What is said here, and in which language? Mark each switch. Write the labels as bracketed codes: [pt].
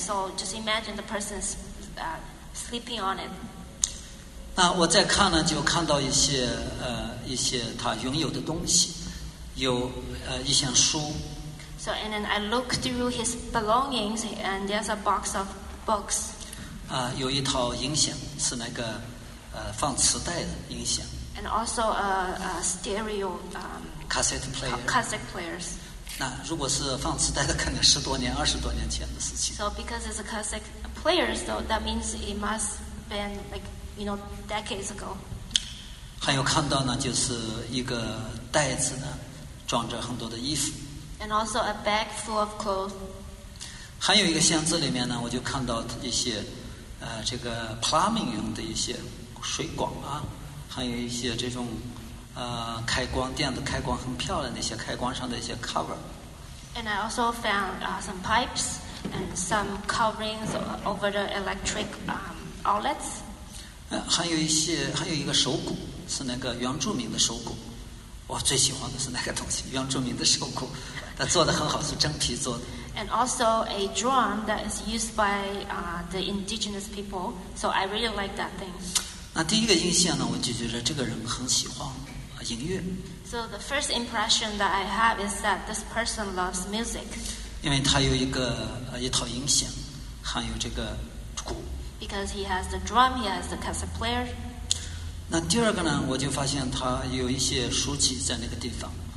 [en] So just imagine the person's sleeping on it. [zh] 那我再看呢，就看到一些他拥有的东西。有一箱书。 [en] So and then I look through his belongings and there's a box of books. [zh] 有一套音响，是那个放磁带的音响。 [en] And also a stereo cassette player. Cassette players. [zh] 那如果是放磁带的，可能10多年、20多年前的事情。 [en] So because it's a cassette player, so that means it must been like you know decades ago. [zh] 还有看到呢，就是一个袋子呢。装着很多的衣服 [en] ，and also a bag full of clothes。 [zh] 还有一个箱子里面呢，我就看到一些，这个 plumbing 用的一些水管啊，还有一些这种，开关，电子开关很漂亮的一些开关上的一些 cover。 [en] And I also found some pipes and some coverings over the electric outlets。 [zh] 还有一个手鼓，是那个原住民的手鼓。我最喜欢的是那个东西，原住民的手鼓，它做的很好，是真皮做的。 [en] And also a drum that is used by the indigenous people. So I really like that thing. [zh] 那第一个印象呢，我就觉得这个人很喜欢音乐。 [en] So the first impression that I have is that this person loves music. [zh] 因为他有一个一套音响，还有这个鼓。 [en] Because he has the drum, he has the cassette player. [zh] 那第二个呢，我就发现他有一些书籍在那个地方。